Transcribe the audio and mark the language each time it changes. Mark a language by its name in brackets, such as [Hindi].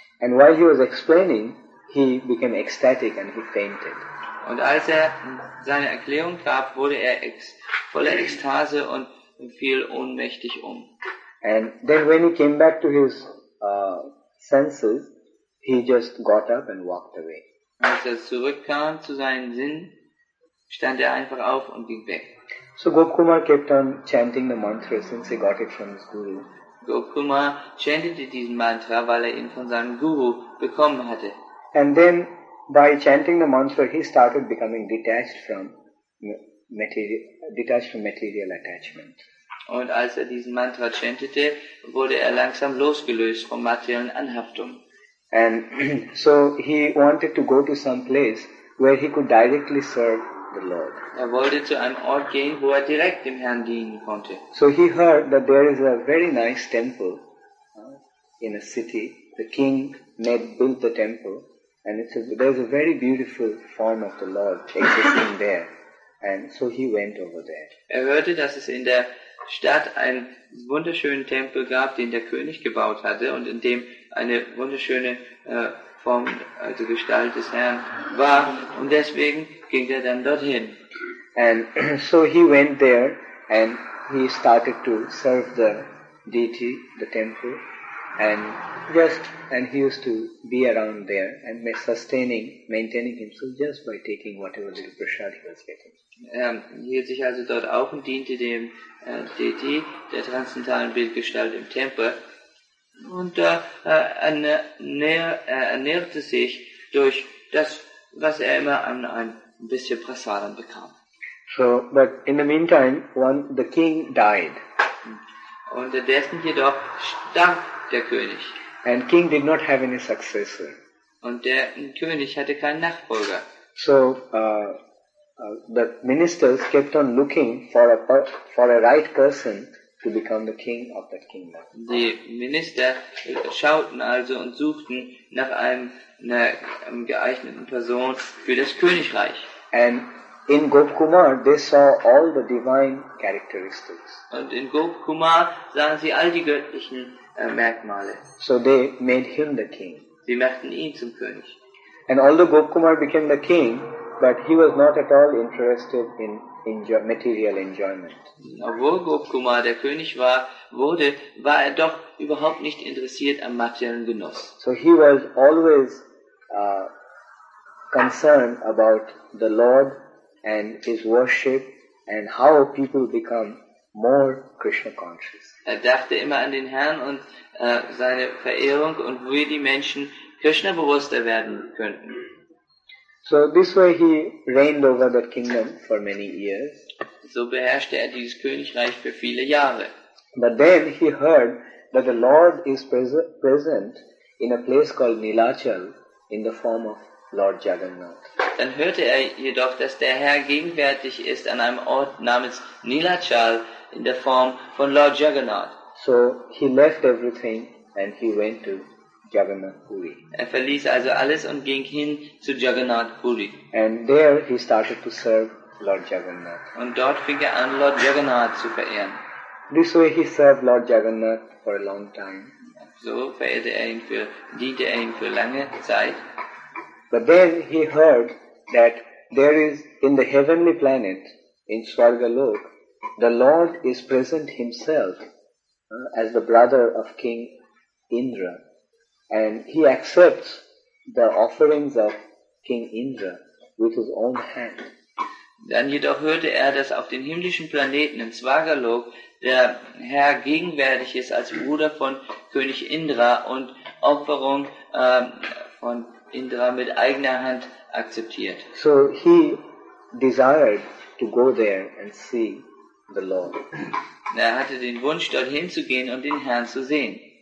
[English] And while he was explaining, he became ecstatic and he fainted. [German] Und als er seine Erklärung gab, wurde er voller Ekstase und fiel ohnmächtig um. [English] And then when he came back to his senses, he just got up and walked away. [German] Als er zurückkam zu seinen Sinnen, stand er einfach auf und ging weg. [English] So Gop Kumar kept on chanting the mantra since he got it from his guru. [German] Gop Kumar chantete diesen Mantra, weil ihn von seinem Guru bekommen hatte. [English] And then, by chanting the mantra, he started becoming detached from material, detached from material attachment. [German] Und als er diesen Mantra chantete, wurde er langsam losgelöst vom materiellen Anhaftung. [English] And so he wanted to go to some place where he could directly serve the Lord. [German] Er wollte zu einem Ort gehen, wo er direkt dem Herrn dienen konnte. [English] So he heard that there is a very nice temple in a city. The king built the temple, and there's a very beautiful form of the Lord existing there. And so he went over there. [German] Er hörte, dass es in der Stadt einen wunderschönen Tempel gab, den der König gebaut hatte und in dem eine wunderschöne Form, also Gestalt des Herrn war. Und deswegen ging er dann dorthin. [English] And so he went there and he started to serve the deity, the temple, and he used to be around there and maintaining himself just by taking whatever little prasad he was getting. [German] Hielt sich also dort auf und diente dem Deity, der transzendentalen Bildgestalt im Tempel, und da ernährte sich durch das, was er immer an ein bisschen Prasadam bekam. [English] So, but in the meantime, the king died. [German] Unterdessen jedoch starb der König. [English] And king did not have any successor. [German] Und der König hatte keinen Nachfolger. [English] So, the ministers kept on looking for a right person to become the king of that kingdom. [German] Die Minister schauten also und suchten nach einer geeigneten Person für das Königreich. [English] And in Gopkumar they saw all the divine characteristics. [German] Und in Gopkumar sahen sie all die göttlichen Merkmale. [English] So they made him the king. [German] Sie machten ihn zum König. [English] And although Gopkumar became the king, but he was not at all interested in material enjoyment. [German] Obwohl Gopkumar der König war er doch überhaupt nicht interessiert am materiellen Genuss. [English] So he was always concerned about the Lord and his worship and how people become more Krishna conscious. [German] Er dachte immer an den Herrn und seine Verehrung und wie die Menschen Krishna bewusster werden könnten. [English] So this way he reigned over the kingdom for many years. [German] So beherrschte er dieses Königreich für viele Jahre. [English] But then he heard that the Lord is present in a place called Nilachal in the form of Lord Jagannath. [German] Dann hörte er jedoch, dass der Herr gegenwärtig ist an einem Ort namens Nilachal in der Form von Lord Jagannath. [English] So he left everything and he went to Jagannath Puri. [German] Er verließ also alles und ging hin zu Jagannath Puri. [English] And there he started to serve Lord Jagannath. [German] Und dort fing er an, Lord Jagannath zu verehren. [English] This way he served Lord Jagannath for a long time. [German] So verehrte er ihn diente er ihm für lange Zeit. [English] But then he heard that there is in the heavenly planet, in Swargalok, the Lord is present himself as the brother of King Indra. And he accepts the offerings of King Indra with his own hand. [German] Dann jedoch hörte er, dass auf den himmlischen Planeten in Swargalok der Herr gegenwärtig ist als Bruder von König Indra und Opferung von Indra mit eigener Hand akzeptiert. [English] So he desired to go there and see the Lord. [German] Er hatte den Wunsch, dorthin zu gehen und den Herrn zu sehen.